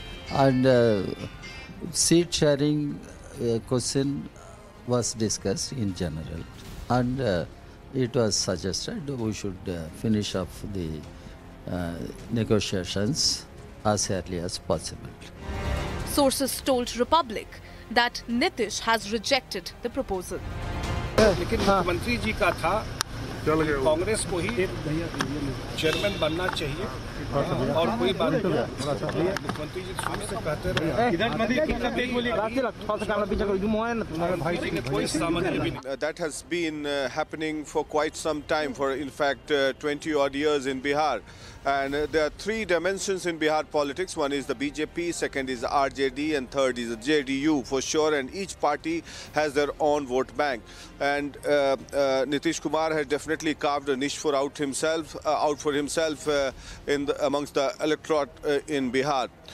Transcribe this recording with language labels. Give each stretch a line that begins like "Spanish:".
English: And seat sharing question was discussed in general. And it was suggested we should finish off the negotiations as early as possible. Sources told Republic that Nitish has rejected the proposal.
Hindi: लेकिन मुख्यमंत्री जी का था कांग्रेस को ही chairman बनना चाहिए और कोई बात नहीं मुख्यमंत्री जी स्वयं से कहते रहे
English: That has been happening for quite some time, for in fact 20 odd years in Bihar. And there are three dimensions in Bihar politics. One is the BJP, second is RJD, and third is the JDU for sure. And each party has their own vote bank. And Nitish Kumar has definitely carved a niche for himself in the, amongst the electorate in Bihar.